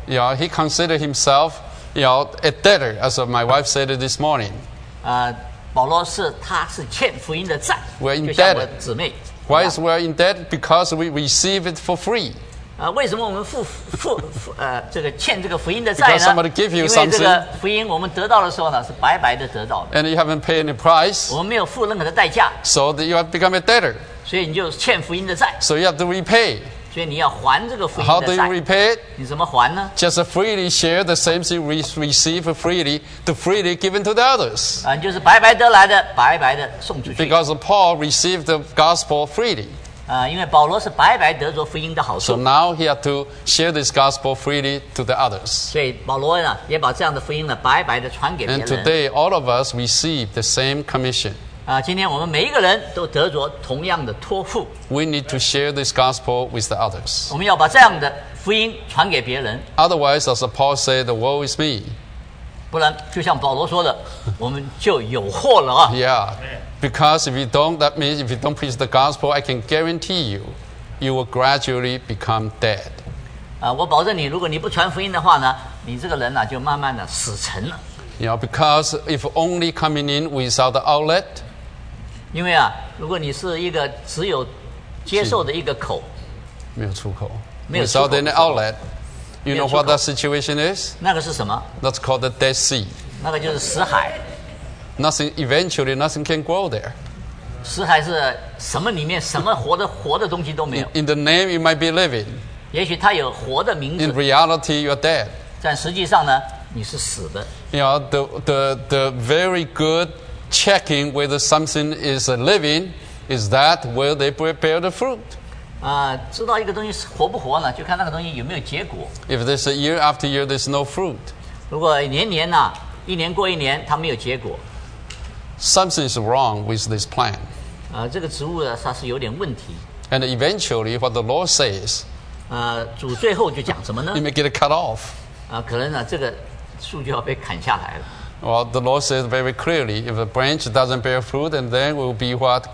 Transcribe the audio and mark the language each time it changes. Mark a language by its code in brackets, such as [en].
[en] Yeah, he considered himself, you know, a debtor, as my wife said it this morning. [zh] 保罗是他是欠福音的债，就像我的姊妹。 [en] Why is we in debt? Because we receive it for free. [zh] 为什么我们这个欠这个福音的债呢 [en] ？Because somebody give you something. [zh] 因为这个福音我们得到的时候呢，是白白的得到的。 [en] And you haven't paid any price. [zh] 我们没有付任何的代价。 [en] So that you have become a debtor. [zh] 所以你就欠福音的债。 [en] So you have to repay. [zh] 所以你要还这个福音的债。 [en] How do you repay? [zh] 你怎么还呢 [en] ？Just freely share the same thing we receive freely to freely given to the others. [zh] 就是白白得来的，白白的送出去。 [en] Because Paul received the gospel freely. [zh] 因为保罗是白白得着福音的好处。 [en] So now he had to share this gospel freely to the others. [zh] 所以保罗呢，也把这样的福音呢，白白的传给别人。 [en] And today, all of us receive the same commission. [zh] 今天我们每一个人都得着同样的托付。 [en] We need to share this gospel with the others. [zh] 我们要把这样的福音传给别人。 [en] Otherwise, as Paul said, the woe is me. [zh] 不然，就像保罗说的，我们就有祸了 [en] Yeah, Because if you don't, that means if you don't preach the gospel, I can guarantee you, you will gradually become dead. [zh] 我保证你，如果你不传福音的话呢，你这个人啊，就慢慢的死沉了。 [en] You know, because if only coming in without the outlet. [zh] 因为啊，如果你是一个只有接受的一个口，没有出口，没有出口 [en] without any outlet. You know what that situation is? [zh] 那个是什么？ [en] That's called the Dead Sea. [zh] 那个就是死海。 [en] Nothing eventually, nothing can grow there. [zh] 死海是什么里面什么活的东西都没有。 [en] In the name, you might be living. [zh] 也许它有活的名字。 [en] In reality, you're dead. [zh] 但实际上呢，你是死的。 [en] You know, the very good checking whether something is living is that will they bear the fruit. [zh] 知道一个东西活不活呢，就看那个东西有没有结果。 [en] If there's a year after year, there's no fruit. [zh] 如果年年呢，一年过一年，它没有结果。 [en] Something is wrong with this plant. [zh] 这个植物呢，它是有点问题。 [en] And eventually, what the Lord says, [zh] 主最后就讲什么呢？ [en] You may get it cut off. [zh] 可能呢，这个树就要被砍下来了。 [en] Well, the Lord says very clearly, if a branch doesn't bear fruit, and then it will be what?